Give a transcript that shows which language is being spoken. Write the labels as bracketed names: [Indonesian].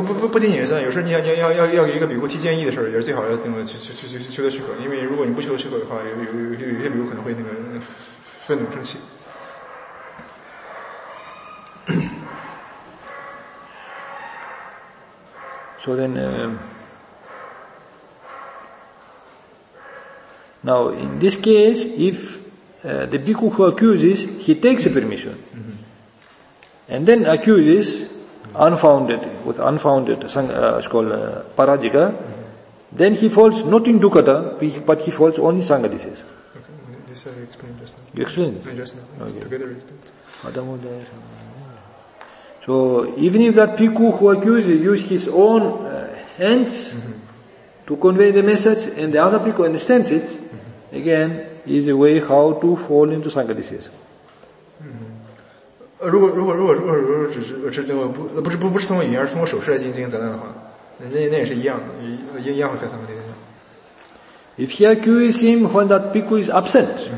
[Chinese] 不仅仅是这样，有时候你要给一个比库提建议的时候，也是最好要求得许可，因为如果你不求得许可的话，有些比库可能会愤怒生气。 [English] So then, now in this case, if the bhikkhu who accuses, he takes a permission, and then accuses unfounded, with unfounded, it's called parajika, then he falls not in dukkata, but he falls only sangati sesa. Okay, this I explained just now. You explained? Just now. Okay. Together with that. So, even if that bhikkhu who accuses uses his own hands to convey the message and the other bhikkhu understands it, again, is a way how to fall into sangati sesa. [Chinese] 如果只是通过语言，而是通过手势来进行责难的话，那也是一样，一样会犯三个地铁。 [English] If he accuses him when that bhikkhu is absent,